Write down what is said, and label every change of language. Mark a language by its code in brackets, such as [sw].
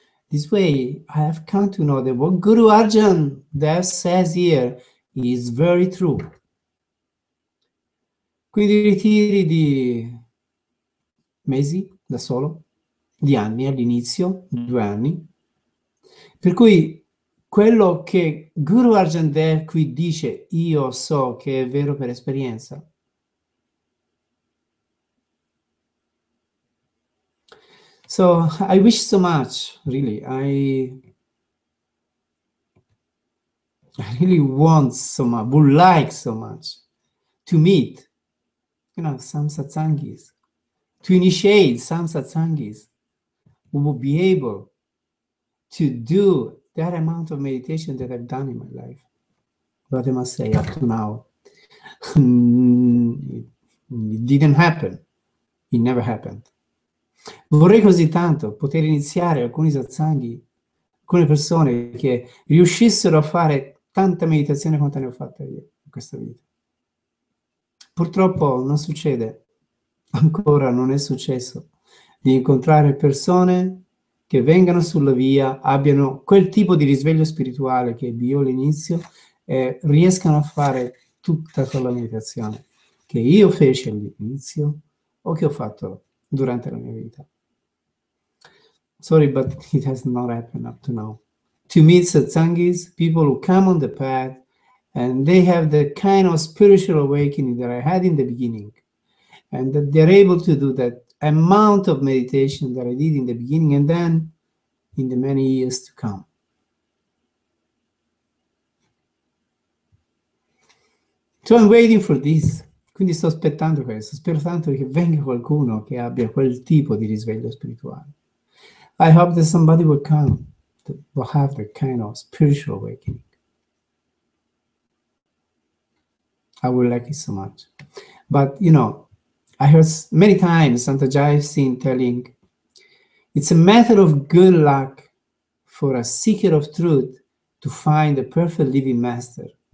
[en] This way, I have come to know that what Guru Arjan Dev says here is very true. [it] Quindi ritiri di mesi da solo, di anni all'inizio, 2 anni. Per cui quello che Guru Arjan Dev qui dice, io so che è vero per esperienza. [en] So, I wish so much, really. I really want so much, would like so much to meet, some satsangis, to initiate some satsangis who will be able to do that amount of meditation that I've done in my life. But I must say, up to now, it didn't happen. It never happened. [it] Vorrei così tanto poter iniziare alcuni satsanghi, alcune persone che riuscissero a fare tanta meditazione quanto ne ho fatta io in questa vita. Purtroppo non succede, ancora non è successo di incontrare persone che vengano sulla via, abbiano quel tipo di risveglio spirituale che ebbio all'inizio e riescano a fare tutta quella meditazione che io feci all'inizio o che ho fatto durante la mia vita. [en] Sorry, but it has not happened up to now. To meet satsangis, people who come on the path and they have the kind of spiritual awakening that I had in the beginning, and that they're able to do that amount of meditation that I did in the beginning and then in the many years to come. So I'm waiting for this. [it] Quindi sto aspettando questo, spero tanto che venga qualcuno che abbia quel tipo di risveglio spirituale. [en] I hope that somebody will come to have that kind of spiritual awakening. I would like it so much. But, you know, I heard many times Santajai Singh telling, it's a matter of good luck for a seeker of truth to find the perfect living master.